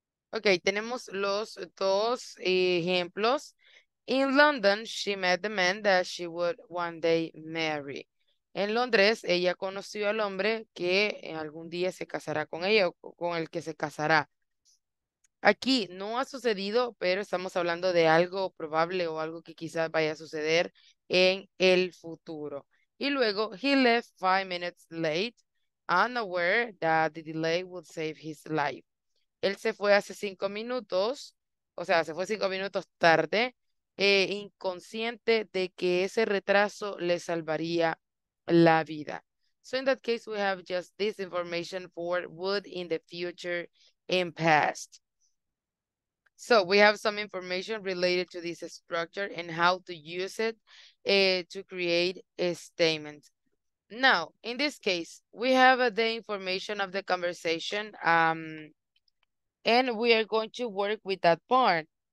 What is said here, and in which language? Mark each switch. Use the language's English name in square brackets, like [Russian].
[Spanish] Okay, tenemos los dos ejemplos. [English] In London, she met the man that she would one day marry. [Spanish] En Londres, ella conoció al hombre que en algún día se casará con ella o con el que se casará. Aquí no ha sucedido, pero estamos hablando de algo probable o algo que quizás vaya a suceder en el futuro. Y luego, [English] he left 5 minutes late, unaware that the delay would save his life. [Spanish] Él se fue hace 5 minutos, o sea, se fue 5 minutos tarde, inconsciente de que ese retraso le salvaría la vida. [English] So in that case, we have just this information for would in the future and past. So we have some information related to this structure and how to use it to create a statement. Now, in this case, we have the information of the conversation, and we are going to work with that part.